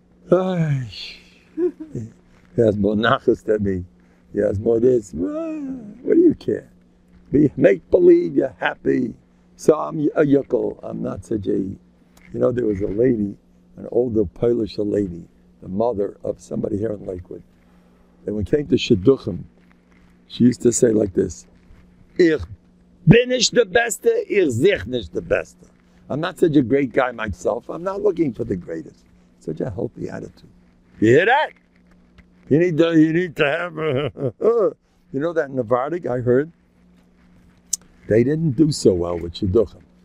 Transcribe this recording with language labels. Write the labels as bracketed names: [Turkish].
[English] He has more nachas than me. He has more this. What do you care? Be make believe you're happy. So I'm a yukkel. I'm not such a, there was a lady, an older Polish lady, the mother of somebody here in Lakewood. And when it came to Shidduchim, she used to say like this, [Yiddish] "Ich bin nicht der Beste, ich sich nicht der Beste." [English] I'm not such a great guy myself. I'm not looking for the greatest. Such a healthy attitude. You hear that? You need to have that Nevardic I heard? They didn't do so well with Shidduchim.